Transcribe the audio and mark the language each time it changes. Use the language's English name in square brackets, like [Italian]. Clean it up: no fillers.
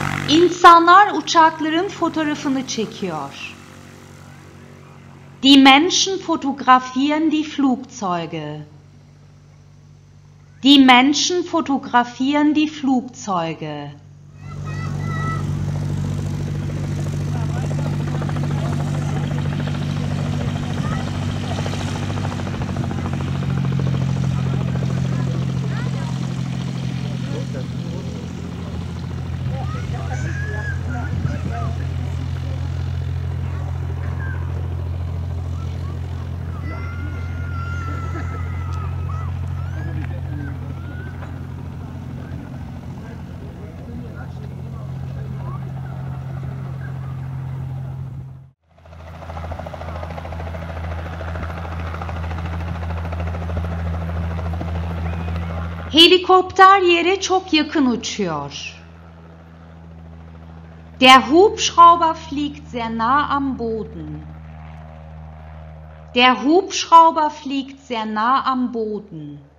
[Turkish] İnsanlar uçakların fotoğrafını çekiyor. [German] Die Menschen fotografieren die Flugzeuge. Die Menschen fotografieren die Flugzeuge. [Turkish] Helikopter yere çok yakın uçuyor. [German] Der Hubschrauber fliegt sehr nah am Boden. Der Hubschrauber fliegt sehr nah am Boden.